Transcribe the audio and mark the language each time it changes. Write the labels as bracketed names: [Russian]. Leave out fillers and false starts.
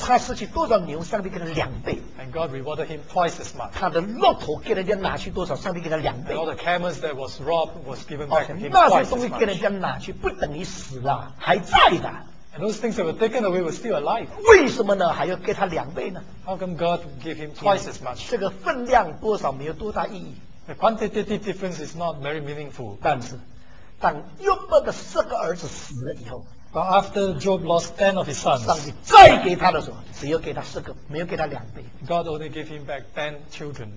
[Chinese] 他失去多少牛， 上帝给他两倍。 [English] And God rewarded him twice as much. [Chinese] 他的骆驼给人家拿去多少， 上帝给他两倍。 [English] And all the camels that was robbed was given back to him twice as much. [Chinese] 那些东西给人家拿去， 不等于死了， 还在的。 [English] Those things that were taken away were still alive. [Chinese] 为什么呢？还要给他两倍呢？ [English] How come God gave him twice as much? [Chinese] 这个分量多少没有多大意义。 [English] The quantitative difference is not very meaningful. [Chinese] 但是， 当约伯的四个儿子死了以后， [English] But after Job lost 10 of his sons, [Chinese] 上帝再给他的时候， 只要给他四个， 没有给他两倍。 [English] God only gave him back 10 children.